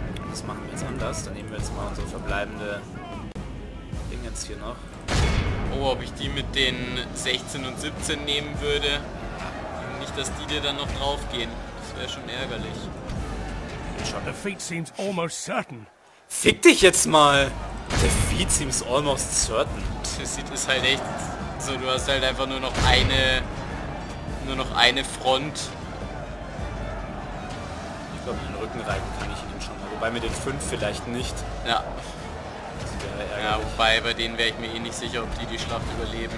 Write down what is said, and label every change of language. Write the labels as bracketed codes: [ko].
[de] Das machen wir jetzt anders. Dann nehmen wir jetzt mal unsere verbleibende Ding jetzt hier noch. Oh, ob ich die mit den 16 und 17 nehmen würde. Nicht, dass die dir dann noch drauf gehen. Das wäre schon ärgerlich. [en] Defeat seems almost certain. [de] Fick dich jetzt mal! [en] Defeat seems almost certain. [de] Das sieht es halt echt so, du hast halt einfach nur noch eine. Nur noch eine Front. Ich glaube, den Rücken reiben kann ich ihn schon mal. Wobei mit den 5 vielleicht nicht. Ja. Ja, wobei, bei denen wäre ich mir eh nicht sicher, ob die die Schlacht überleben.